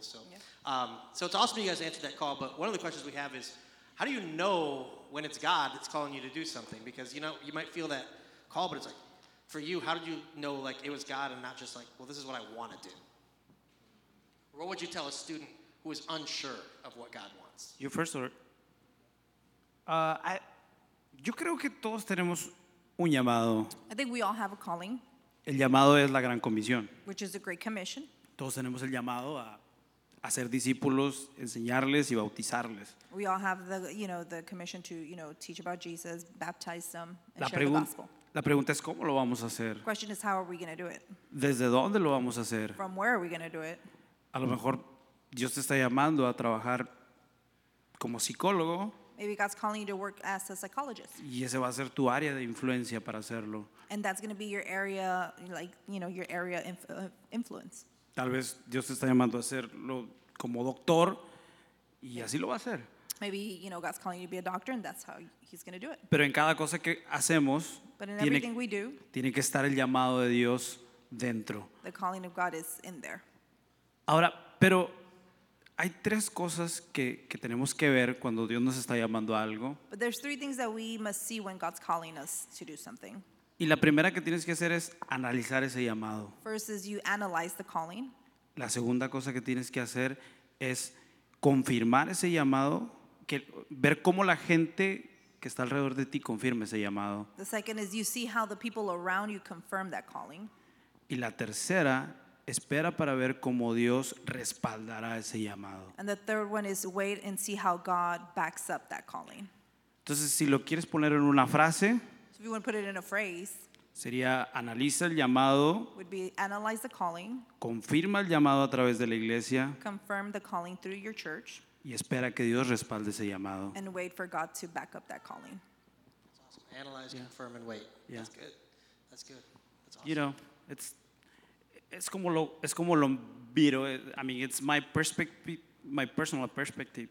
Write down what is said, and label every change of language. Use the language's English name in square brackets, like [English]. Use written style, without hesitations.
[English] So, so it's awesome you guys answered that call, but one of the questions we have is, how do you know when it's God that's calling you to do something? Because, you know, you might feel that call, but it's like, for you, how did you know, like, it was God and not just like, well, this is what I want to do? What would you tell a student who is unsure of what God wants? You first or... [Spanish] Yo creo que todos tenemos un llamado. [English] I think we all have a calling. [Spanish] El llamado es la gran comisión. [English] Which is the Great Commission. [Spanish] Todos tenemos el llamado a ser discípulos, enseñarles y bautizarles. [English] We all have the, you know, the commission to, you know, teach about Jesus, baptize them, and share the gospel. [Spanish] La pregunta es cómo lo vamos a hacer. [English] The question is how are we going to do it? [Spanish] ¿Desde dónde lo vamos a hacer? [English] From where are we going to do it? [Spanish] A lo mejor Dios te está llamando a trabajar como psicólogo. [English] Maybe God's calling you to work as a psychologist. [Spanish] Y ese va a ser tu área de influencia para hacerlo. [English] And that's going to be your area, like, you know, your area of influence. [Spanish] Tal vez Dios te está llamando a hacerlo como doctor, y así lo va a hacer. [English] Maybe, you know, God's calling you to be a doctor, and that's how he's going to do it. [Spanish] Pero en cada cosa que hacemos, tiene que estar el llamado de Dios dentro. [English] The calling of God is in there. [Spanish] Ahora, pero... hay tres cosas que tenemos que ver cuando Dios nos está llamando a algo. [English] But there's three things that we must see when God's calling us to do something. [Spanish] Y la primera que tienes que hacer es analizar ese llamado. [English] First is you analyze the calling. [Spanish] La segunda cosa que tienes que hacer es confirmar ese llamado, que ver cómo la gente que está alrededor de ti confirma ese llamado. [English] The second is you see how the people around you confirm that calling. [Spanish] Y la tercera, espera para ver cómo Dios respaldará ese llamado. [English] And the third one is wait and see how God backs up that calling. [Spanish] Entonces, si lo quieres poner en una frase, [English] so if you want to put it in a phrase, [Spanish] sería analiza el llamado, [English] would be analyze the calling, [Spanish] confirma el llamado a través de la iglesia, [English] confirm the calling through your church, [Spanish] y espera que Dios respalde ese llamado. [English] And wait for God to back up that calling. That's awesome. Analyze, confirm, and wait. Yeah. That's good. That's awesome. You know, [Spanish] es como lo miro. [English] I mean, it's my perspective, my personal perspective.